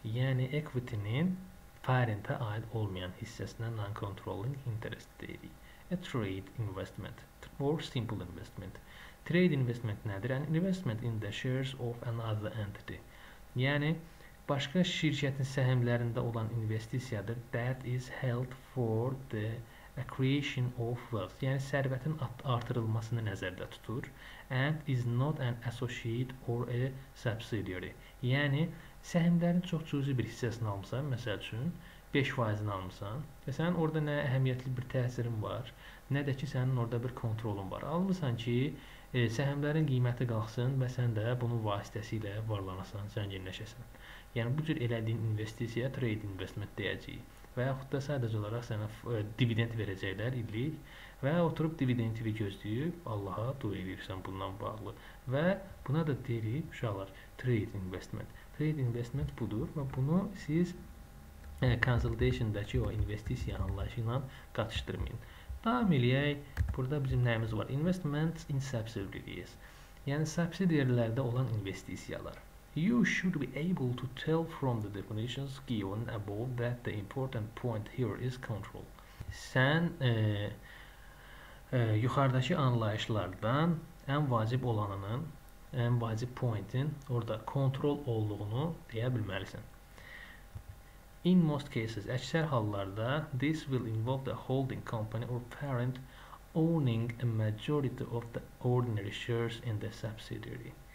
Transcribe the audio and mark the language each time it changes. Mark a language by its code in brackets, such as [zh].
[az] Yəni equity-nin parentə aid olmayan hissəsinə non-controlling interest deyirik. [en] A trade investment or simple investment. Trade investment nədir? An investment in the shares of another entity. [az] Yəni başqa şirkətin səhmlərində olan investisiyadır. [en] That is held for the accretion of wealth. [az] Yəni sərvətin artırılmasını nəzərdə tutur [en] and is not an associate or a subsidiary. [az] Yəni səhmlərin çox cüzi bir hissəsini almışsan, məsəl üçün 5%-ni almışsan və sənin orada nə əhəmiyyətli bir təsirin var, nə də ki sənin orada bir kontrolun var. Almışsan ki səhmlərin qiyməti qalxsın və sən də bunun vasitəsilə varlanasan, zənginləşəsən. Yəni bu cür elədiyin investisiya trade investment deyəcəyik. Və yaxud da sadəcə olaraq sənə dividend verəcəklər illik və oturub dividendini gözləyib Allaha dua edirsən bundan bağlı. Və buna da deyirik uşaqlar trade investment. Trade investment budur və bunu siz consolidation-dakı o investisiya anlayışı ilə qatışdırmayın. Davam eləyək. Burada bizim nəyimiz var? [en] Investments in subsidiaries. [az] Yəni subsidiary-lərdə olan investisiyalar. [en] You should be able to tell from the definitions given above that the important point here is control. [az] Sən yuxarıdakı anlayışlardan ən vacib olanının, ən vacib pointin orada kontrol olduğunu deyə bilməlisən. [en] In most cases, [az] əksər hallarda [en] this will involve the holding company or parent owning a majority of the ordinary shares in the subsidiary.